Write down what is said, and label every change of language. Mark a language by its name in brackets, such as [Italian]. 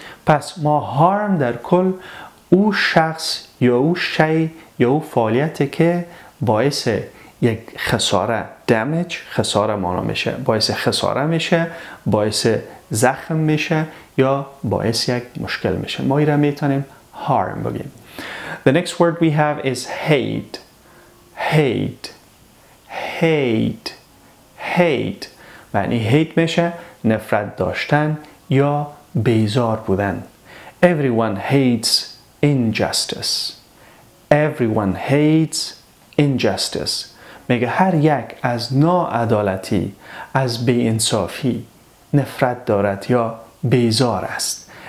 [Persian] پس ما هارم در کل او شخص یا او شی یا او فعالیتی که باعث یک خساره دمیج خساره معنا میشه، باعث خساره میشه، باعث زخم میشه یا باعث یک مشکل میشه، ما این را میتونیم هارم بگیم. [English] The next word we have is hate. Hate. [Persian] hate معنی hate میشه نفرت داشتن یا بیزار بودن. [English] Everyone hates injustice. [Persian] میگه هر یک از ناعدالتی، از بی‌انصافی نفرت دارد یا بیزار است.